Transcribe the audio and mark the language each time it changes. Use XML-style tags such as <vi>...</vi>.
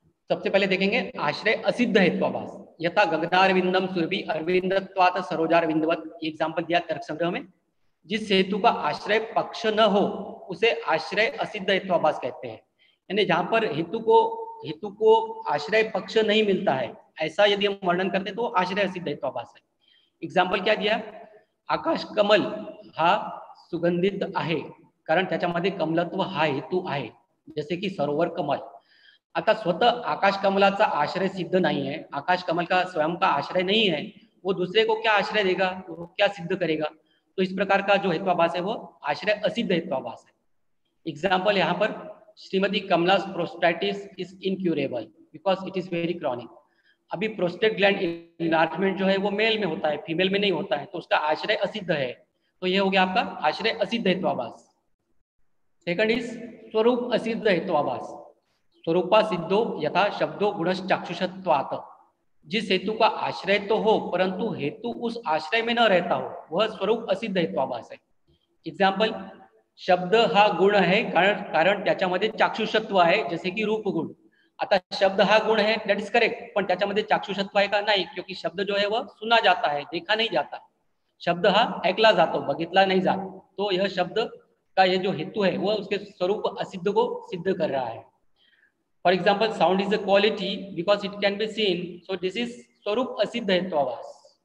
<hi>सबसे पहले देखेंगे आश्रय असिद्ध हेत्वाभास।</hi> <sa>यथा गगनारविंदम सुरभि अरविंदत्वात् सरोजारविंदवत्,</sa> <hi>एग्जाम्पल दिया तर्क संग्रह में। जिस हेतु का आश्रय पक्ष न हो उसे आश्रय असिद्ध हेत्वाभास कहते हैं। यानी जहां पर हेतु को आश्रय पक्ष नहीं मिलता है, ऐसा यदि हम वर्णन करते तो आश्रय असिद्ध हेत्वाभास है। एग्जाम्पल क्या दिया,</hi> <mr>आकाश कमल हा सुगंधित आहे, कारण त्याच्यामध्ये कमलत्व हा हेतु आहे, जसे की सरोवर कमल। आता स्वतः आकाश कमलाचा आश्रय सिद्ध नाही</mr> <hi>है, आकाश कमल का स्वयं का आश्रय नहीं है, वो दूसरे को क्या आश्रय देगा, वो क्या सिद्ध करेगा? तो इस प्रकार का जो हेत्वाभास है वो आश्रय असिद्ध हेत्वाभास है। एग्जाम्पल यहाँ पर श्रीमती कमला</hi> <en>Prostatitis is incurable because it is very chronic.</en> <hi>अभी प्रोस्टेट ग्लैंड इनलार्जमेंट जो है वो मेल में होता है, फीमेल में नहीं होता है, तो उसका आश्रय असिद्ध है। तो ये हो गया आपका आश्रय असिद्ध हेत्वाभास।</hi> <en>second is</en> <hi>स्वरूप असिद्ध हेत्वाभास,</hi> <sa>स्वरूपा सिद्धो यथा शब्दो गुणश चाक्षुषत्वात्।</sa> <hi>जिस हेतु का आश्रय तो हो परंतु हेतु उस आश्रय में न रहता हो वह स्वरूप असिद्ध हेत्वाभास है। एग्जाम्पल शब्द हा गुण है</hi> <mr>कारण त्याच्यामध्ये</mr> <hi>चाक्षुषत्व है, जैसे कि रूप गुण।</hi> <mr>आता शब्द हा गुण है</mr> <en>that is correct,</en> <mr>पण त्याच्यामध्ये चाक्षुषत्व आहे का?</mr> <hi>नाही, क्योंकि शब्द जो है वह सुना जाता है, देखा नहीं जाता,</hi> <mr>शब्द हा ऐकला जातो बघितला नहीं जात।</mr> <hi>तो यह शब्द का यह जो हेतु है वह उसके स्वरूप असिद्ध को सिद्ध कर रहा है।</hi> <en>For example sound is a quality because it can be seen, so this is स्वरूप असिद्ध हेत्वाभास।</en>